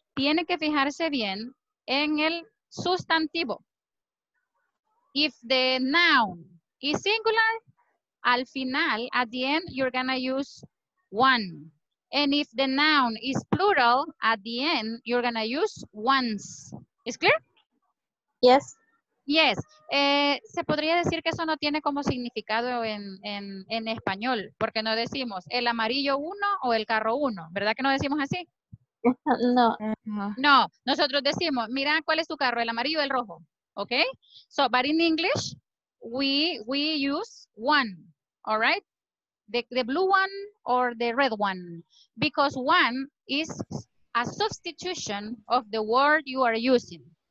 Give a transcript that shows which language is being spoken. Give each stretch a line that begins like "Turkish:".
Spanish: Tiene que fijarse bien en el sustantivo.
English: If the noun is singular,
Spanish: al final,
English: at the end, you're gonna use one. And if the noun is plural, at the end, you're gonna use ones.
Spanish: ¿Es clear?
English: Yes. Yes.
Spanish: Se podría decir que eso no tiene como significado en español, porque no decimos el amarillo uno o el carro uno. ¿Verdad que no decimos así? No. No, nosotros decimos, mira, ¿cuál es tu carro? ¿El amarillo o el rojo? Okay?
English: So, but in English, we use one, all right? The blue one or the red one. Because one is a substitution of the word you are using.